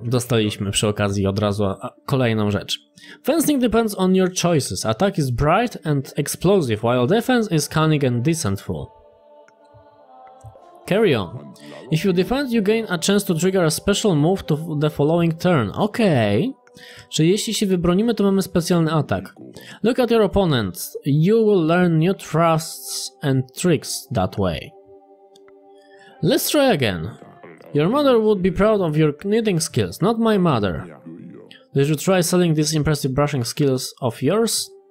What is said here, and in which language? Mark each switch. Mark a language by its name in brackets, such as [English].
[Polish] Dostaliśmy przy okazji od razu kolejną rzecz. [English] Fencing depends on your choices. Attack is bright and explosive, while defense is cunning and deceitful. Carry on. If you defend, you gain a chance to trigger a special move to the following turn. Okay. [Polish] Czy jeśli się wybronimy, to mamy specjalny atak. [English] Look at your opponent. You will learn new thrusts and tricks that way. Let's try again. Your mother would be proud of your knitting skills, not my mother. Did you try selling these impressive brushing skills of yours?